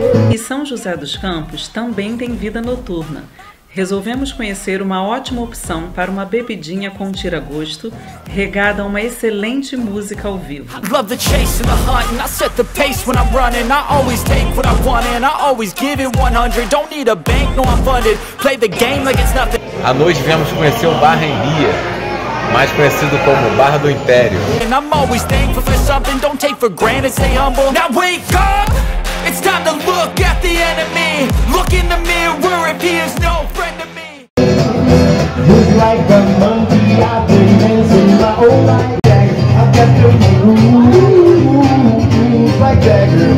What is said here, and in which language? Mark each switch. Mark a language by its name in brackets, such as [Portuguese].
[Portuguese] E São José dos Campos também tem vida noturna. Resolvemos conhecer uma ótima opção para uma bebidinha com tira-gosto, regada a uma excelente música ao vivo. [English] Love the chase and the hunt, and I set the pace when I'm running. I always take what I want and I always give it 100. Don't need a bank, no I'm funded. Play the game like it's nothing. [Portuguese] À noite viemos conhecer o Bar Renia, mais conhecido como Bar do Império. [English] And I'm always thankful for something, don't take for granted, stay humble. Now wake up! It's time to look at the enemy. Look in the mirror if he is no friend to me. Look like the monkey I've been dancing my whole life. I've got to move like that.